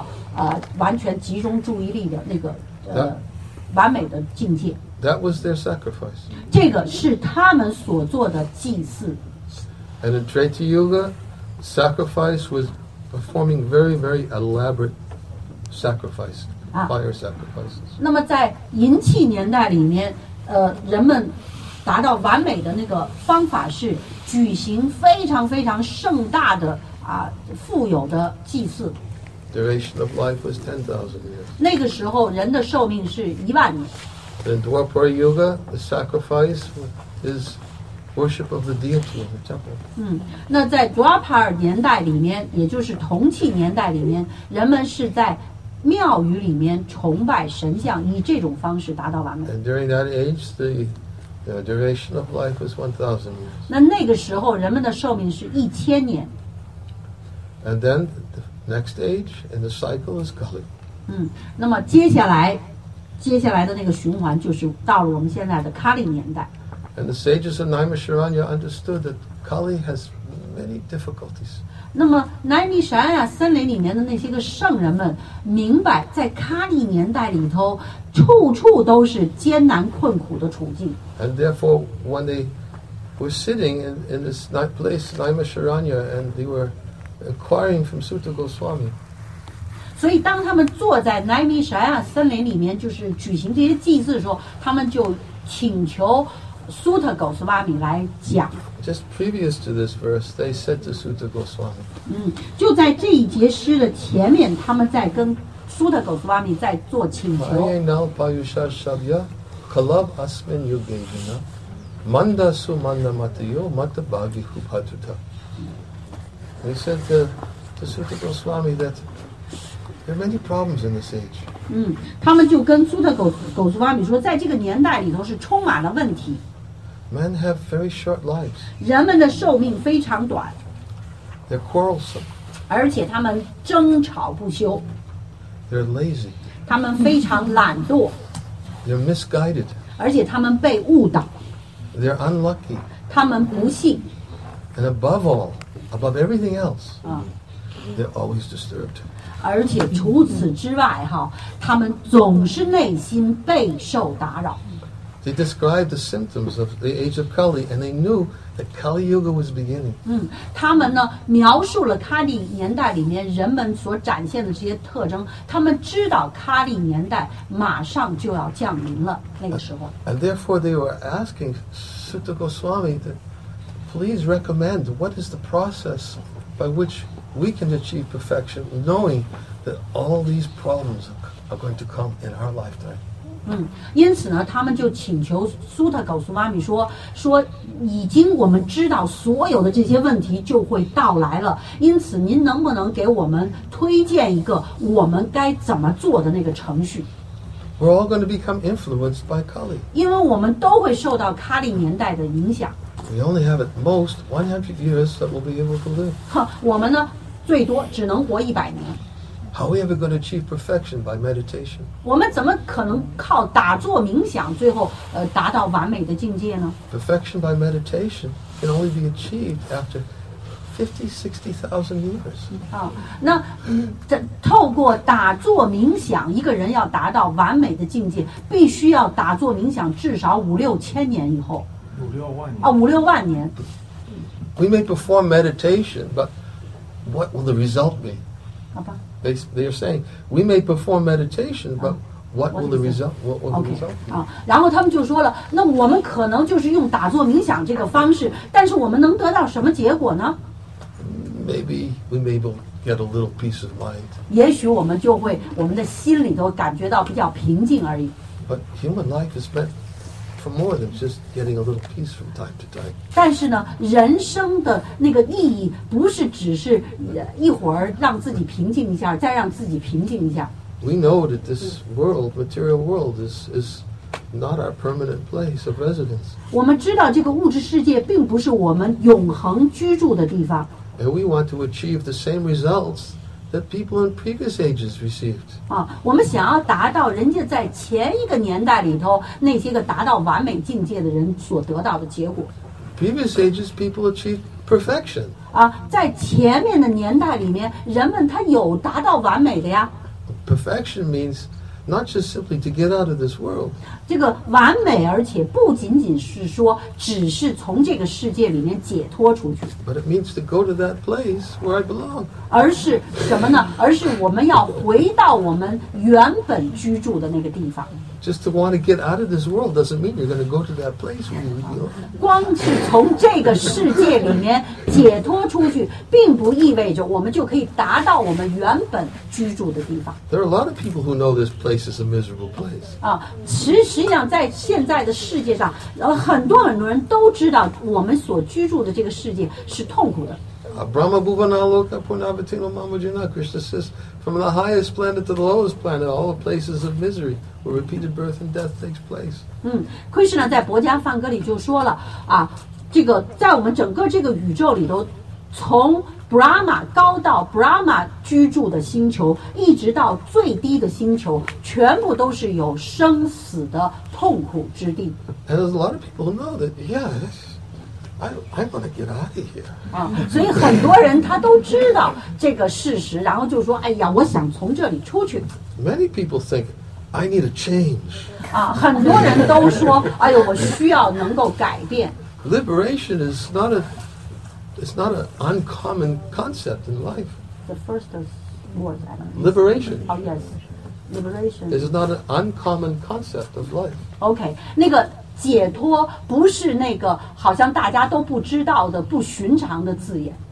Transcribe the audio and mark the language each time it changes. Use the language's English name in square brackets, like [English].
[Chinese] 他们透过打坐冥想把自己的整个的意识完全集中在超然性上然后呢让自己的整个的那些感官的那些个感受力都收回来最后能够达到完全集中注意力的那个 完美的境界 [English] That was their [Chinese] sacrifice 这个是他们所做的祭祀 [English] And in Treta Yuga Sacrifice was performing very very elaborate sacrifice fire sacrifices [Chinese] 那么在银器年代里面人们达到完美的那个方法是举行非常非常盛大的富有的祭祀 [English] Duration of life was 10,000 years. [Chinese] 那个时候人的寿命是一万年。 [English] In Dwapara Yuga, the sacrifice is worship of the deity in the temple. [Chinese] 那在 Dwapara 年代里面，也就是铜器年代里面，人们是在庙宇里面崇拜神像，以这种方式达到完美。 [English] And during that age, the duration of life was 1,000 years. [Chinese] 那个时候人们的寿命是1,000年。 [English] And then next age and the cycle is Kali. [Chinese] 那么接下来的那个循环就是到了我们现在的Kali年代。 [English] And the sages of Naimisharanya understood that Kali has many difficulties. [Chinese] 那么南尼沙亚森林里面的那些个圣人们明白在卡利年代里头处处都是艰难困苦的处境。 [English] And therefore when they were sitting in this night place, Naimisharanya, and they were inquiring from Sutta Goswami, [Chinese] 所以当他们坐在南尼沙亚森林里面就是举行这些祭祀的时候，他们就请求Sutta Goswami 来讲。 [English] Just previous to this verse, they said to Sutta Goswami. [Chinese] 就在这一节诗的前面，他们在跟 Sutta Goswami 在做请求。 [Sanskrit] Maya nal payusha shabya kalab asmin yugena manda su manda matyo mata bagi hupatuta. [English] They said to Sutta Goswami that there are many problems in this age. [Chinese] 他们就跟 Sutta Goswami 说，在这个年代里头是充满了问题。 [English] Men have very short lives. [Chinese] 人们的寿命非常短。 [English] They're quarrelsome. [Chinese] 而且他们争吵不休。 [English] They're lazy. [Chinese] 他们非常懒惰。 [English] They're misguided. [Chinese] 而且他们被误导。 [English] They're unlucky. [Chinese] 他们不幸。 [English] And above all, above everything else, they're always disturbed. [Chinese] 而且除此之外哈，他们总是内心备受打扰。 [English] They described the symptoms of the age of Kali, and they knew that Kali Yuga was beginning. [Chinese] 他们呢描述了卡利年代里面人们所展现的这些特征。他们知道卡利年代马上就要降临了，那个时候。 [English] And therefore, they were asking Sutta Goswami to please recommend what is the process by which we can achieve perfection, knowing that all these problems are going to come in our lifetime. [Chinese] 因此呢他们就请求苏特狗苏妈咪说已经我们知道所有的这些问题就会到来了，因此您能不能给我们推荐一个我们该怎么做的那个程序。 [English] We're all going to become influenced by Kali. [Chinese] 因为我们都会受到卡利年代的影响。 [English] We only have at most 100 years that we'll be able to live. [Chinese] 我们呢最多只能活100年。 [English] How are we ever going to achieve perfection by meditation? [Chinese] 我们怎么可能靠打坐冥想最后达到完美的境界呢？ [English] Perfection by meditation can only be achieved after 50,000-60,000 years. [Chinese] 那透过打坐冥想，一个人要达到完美的境界，必须要打坐冥想至少五六千年以后。五六万年。 [English] We may perform meditation, but what will the result be? [Chinese] 好吧。 [English] They are saying, we may perform meditation, but what will the result? What will the result? [Chinese] 然后他们就说了，那我们可能就是用打坐冥想这个方式，但是我们能得到什么结果呢？ [English] Maybe we may be able to get a little peace of mind. [Chinese] 也许我们就会我们的心里头感觉到比较平静而已。 [English] But human life is meant for more than just getting a little peace from time to time. [Chinese] 但是呢，人生的那个意义不是只是一会儿让自己平静一下，再让自己平静一下。 [English] We know that this world, material world, is not our permanent place of residence. [Chinese] 我们知道这个物质世界并不是我们永恒居住的地方。 [English] And we want to achieve the same results that people in previous ages received. [Chinese] 我们想要达到人家在前一个年代里头那些个达到完美境界的人所得到的结果。 [English] Previous ages, people achieved perfection. [Chinese] 在前面的年代里面，人们他有达到完美的呀。 [English] Perfection means not just simply to get out of this world. [Chinese] 这个完美，而且不仅仅是说只是从这个世界里面解脱出去。 [English] But it means to go to that place where I belong. [Chinese] 而是什么呢？而是我们要回到我们原本居住的那个地方。 [English] Just to want to get out of this world doesn't mean you're going to go to that place where you belong. [Chinese] 光是从这个世界里面解脱出去，并不意味着我们就可以达到我们原本居住的地方。 [English] There are a lot of people who know this place is a miserable place. [Chinese] 实际上在现在的世界上，很多人都知道我们所居住的这个世界是痛苦的。 [Sanskrit] Brahma Bhuvanaloka Purnavatino Mamujana, [English] Krishna says, from the highest planet to the lowest planet, all the places of misery where repeated birth and death takes place. [Chinese] Krishna 在博迦梵歌里就说了啊，这个在我们整个这个宇宙里头，从 Brahma 高到 Brahma 居住的星球，一直到最低的星球，全部都是有生死的痛苦之地。 [English] And there's a lot of people who know that, yeah, I'm gonna get out of here. [Chinese] 所以很多人他都知道这个事实，然后就说，哎呀，我想从这里出去。 [English] Many people think I need a change. [Chinese] 很多人都说，哎呦，我需要能够改变。 [English] Liberation is not an uncommon concept in life. The first word, Adam. Liberation. Oh, yes. Liberation. It's not an uncommon concept of life. [Chinese] Okay, 那个解脱不是那个好像大家都不知道的不寻常的字眼。